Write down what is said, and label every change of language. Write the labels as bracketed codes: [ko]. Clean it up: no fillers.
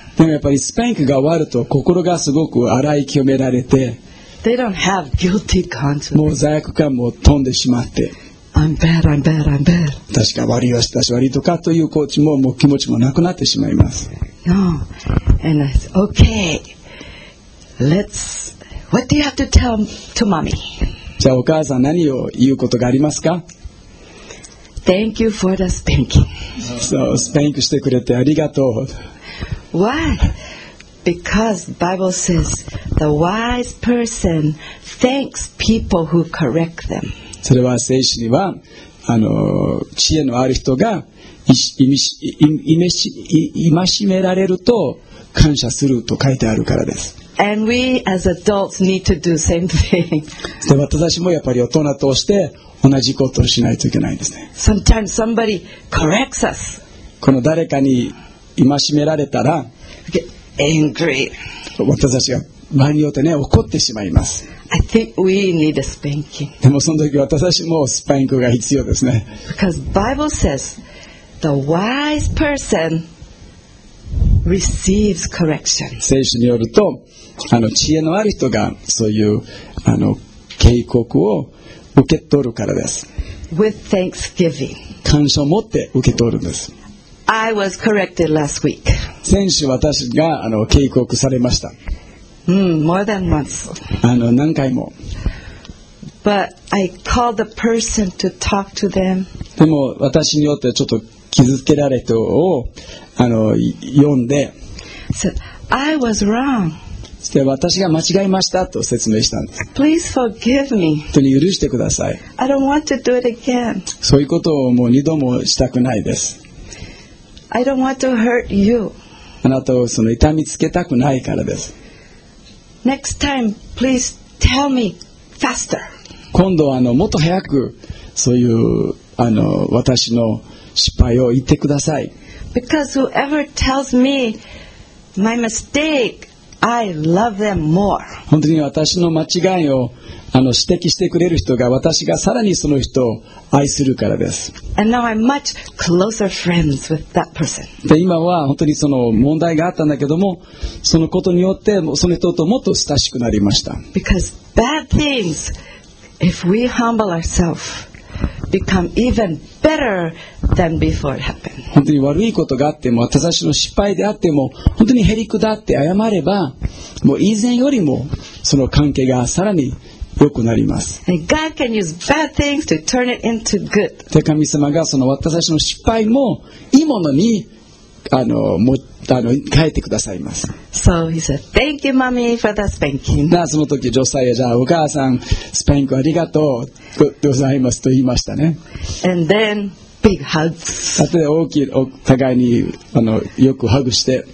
[ja] でもやっぱりスパンクが終わると心がすごく洗い清められて、 [en] They don't have guilty conscience. [ja] もう罪悪感も飛んでしまって、 [en] I'm bad, I'm bad, I'm bad. [ja] 確か悪いよ、私悪いとかという気持ちも、気持ちもなくなってしまいます。 [en] No. And I said, okay, let's, what do you have to tell to mommy? [ja] じゃあお母さん何を言うことがありますか？ [en] Thank you for the spanking. [ja] So, spank してくれてありがとう。 [en] Why? Because the Bible says the wise person thanks people who correct them. [ja] それは聖書には知恵のある人が戒められると感謝すると書いてあるからです。 [en] And we as adults need to do the same thing. [ja] で、私もやっぱり大人として同じことをしないといけないんですね。 [en] Sometimes somebody corrects us. [ja] この誰かに戒められたら、 [en] Get angry. [ja] 私たちが場合によってね、怒ってしまいます。 [en] I think we need a spanking. [ja] でもその時私たちもスパンクが必要ですね。 [en] Because the Bible says the wise person receives correction. [ja] 聖書によると、知恵のある人がそういう警告を受け取るからです。 [en] With thanksgiving. [ja] 感謝を持って受け取るんです。 [en] I was corrected last week. [ja] 先週私が警告されました。 [en] More than once. [ja] 何回も。 [en] But I called the person to talk to them. [ja] でも私によってちょっと傷つけられた人を呼んで。 [en] So, I was wrong. [ja] で私が間違いましたと説明したんです。 [en] Please forgive me. [ja] 本当に許してください。 [en] I don't want to do it again. [ja] そういうことをもう二度もしたくないです。 [en] I don't want to hurt you. [ja] あなたをその痛みつけたくないからです。 [en] Next time, please tell me faster. [ja] 今度はもっと早くそういう私の失敗を言ってください。 [en] Because whoever tells me my mistake. I love them more. [ja] 本当に私の間違いを指摘してくれる人が私がさらにその人を愛するからです。 [en] And now I'm much closer friends with that person. [ja] で今は本当にその問題があったんだけどもそのことによってその人ともっと親しくなりました。 [en] Because bad things, if we humble ourselves, become even better than before it happened. [ja] 本当に悪いことがあっても私の失敗であっても本当にへりくだって謝ればもう以前よりもその関係がさらに良くなります。 [en] And God can use bad things to turn it into good. [ja] 神様がその私の失敗もいいものに変えてくださいます。 [en] So he said, Thank you, mommy, for the spanking. [ja] なあその時女性はじゃあお母さんスパンクありがとうございますと言いましたね。 [en] And then big hugs. [ja] あとで大きいお互いによくハグして